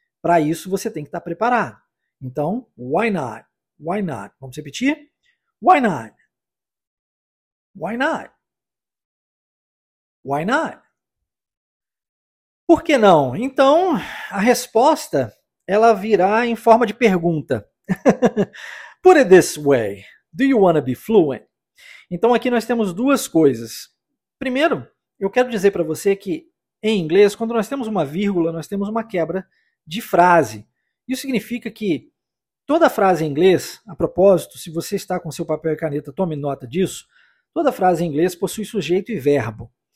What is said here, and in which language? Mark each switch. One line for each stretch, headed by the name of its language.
Portuguese: Para isso, você tem que estar preparado. Então,
English: why not? Why not?
Portuguese: Vamos repetir?
English: Why not? Why not? Why not?
Portuguese: Por que não? Então, a resposta ela virá em forma de pergunta.
English: Put it this way, do you want to be fluent?
Portuguese: Então aqui nós temos duas coisas. Primeiro, eu quero dizer para você que em inglês, quando nós temos uma vírgula, nós temos uma quebra de frase. Isso significa que toda frase em inglês, a propósito, se você está com seu papel e caneta, tome nota disso, toda frase em inglês possui sujeito e verbo.